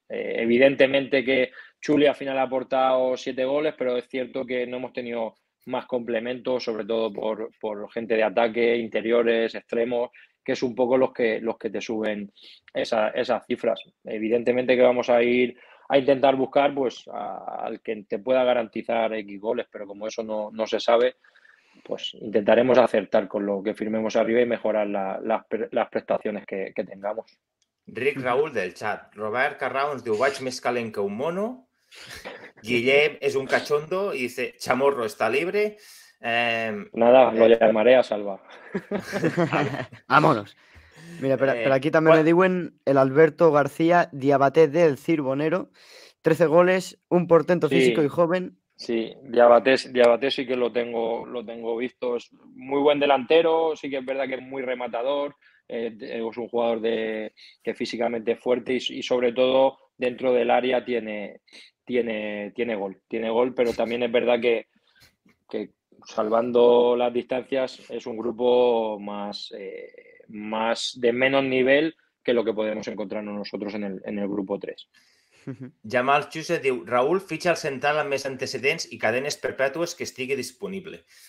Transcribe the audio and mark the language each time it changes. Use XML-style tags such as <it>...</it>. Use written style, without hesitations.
<es>Evidentemente que Chuli al final ha aportado 7 goles, pero es cierto que no hemos tenido más complementos, sobre todo por gente de ataque, interiores, extremos, que es un poco los que te suben esas cifras. Evidentemente que vamos a ir a intentar buscar pues al que te pueda garantizar X goles, pero como eso no se sabe, pues intentaremos acertar con lo que firmemos arriba y mejorar las prestaciones que tengamos. Rick Raúl del chat.</es> <ca>Robert Carrao nos diu, vaig més calent que un mono.</ca> <es>Guillem es un cachondo y dice, Chamorro está libre. Nada, lo llamaré a Salva. Vámonos. Mira, pero aquí también me diuen el Alberto García Diabaté del Cirbonero. 13 goles, un portento físico sí, y joven. Sí, Diabaté sí que lo tengo visto. Es muy buen delantero, sí que es verdad que es muy rematador. Es un jugador que físicamente es fuerte y sobre todo dentro del área tiene gol, pero también es verdad que salvando las distancias es un grupo más de menos nivel que lo que podemos encontrar nosotros en el grupo 3.</es> <ca>Jamal Chuse diu, Raúl, fitxa el central amb més antecedents i cadenes perpètues que estigui disponible.</ca>